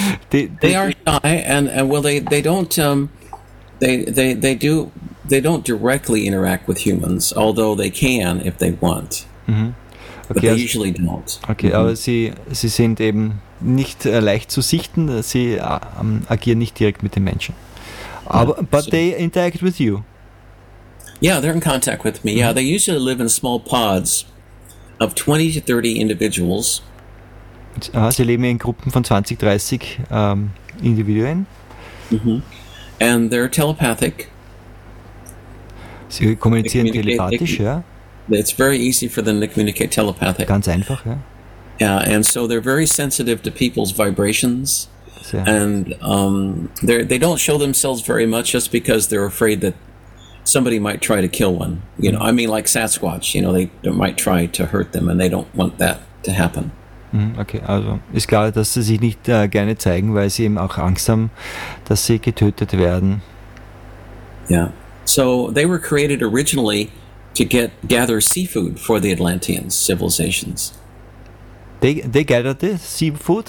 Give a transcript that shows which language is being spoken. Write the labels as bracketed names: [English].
[English] they are shy and well they don't they they they do they don't directly interact with humans, although they can if they want. Mm-hmm. Okay, but they usually don't. Okay, mm-hmm. [German] Aber sie sind eben nicht leicht zu sichten. Sie agieren nicht direkt mit den Menschen. [English] Aber, yeah, but so they interact with you. Yeah, they're in contact with me. Mm-hmm. Yeah, they usually live in small pods of 20 to 30 individuals. [German] Ah, sie leben in Gruppen von 20, 30 Individuen. [English] Mm-hmm. And they're telepathic. [German] Sie kommunizieren telepathisch, ja. [English] It's very easy for them to communicate telepathic. [German] Ganz einfach, ja. [English] Yeah, and so they're very sensitive to people's vibrations. [German] Sehr. [English] And they don't show themselves very much just because they're afraid that somebody might try to kill one. You know, I mean, like Sasquatch, you know, they might try to hurt them and they don't want that to happen. [German] Okay, also ist klar, dass sie sich nicht gerne zeigen, weil sie eben auch Angst haben, dass sie getötet werden. [English] Yeah. So they were created originally to gather seafood for the Atlantean civilizations. They gathered the seafood?